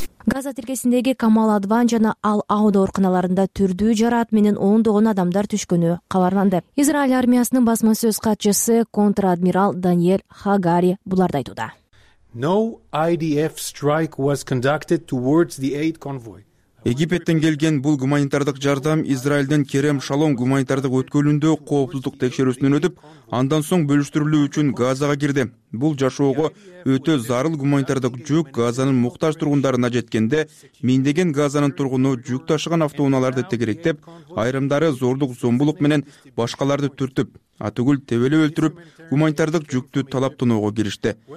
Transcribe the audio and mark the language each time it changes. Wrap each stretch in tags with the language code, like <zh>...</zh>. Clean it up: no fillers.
<ky>Газа тиргесиндеги Камал Адван жана Ал Ауд ооруканаларында түрдүү жараат менен 10 адамдар түшкөнү кабарланды. Израиль армиясынын басма сөз катчысы контр-адмирал Даниэль Хагари буларды айтууда.</ky> <en>No IDF strike was conducted towards the aid convoy.</en> <ky>Египеттен келген бул гуманитардык жардам Израилдин Керем Шалом гуманитардык өткөлүндө коопсуздук текшерүүсүнөн өтүп, андан соң бөлүштүрүлүү үчүн Газага кирди. Бул жашоого өтө зарыл гуманитардык жүк Газанын муктаж тургундарына жеткенде, миңдеген Газанын тургуну жүк ташыган автоунааларды тегеректеп, айрымдары зордук зомбулук менен башкаларды түртүп, атүгүл тебелеп өлтүрүп, гуманитардык жүктү талап тоноого киришти.</ky>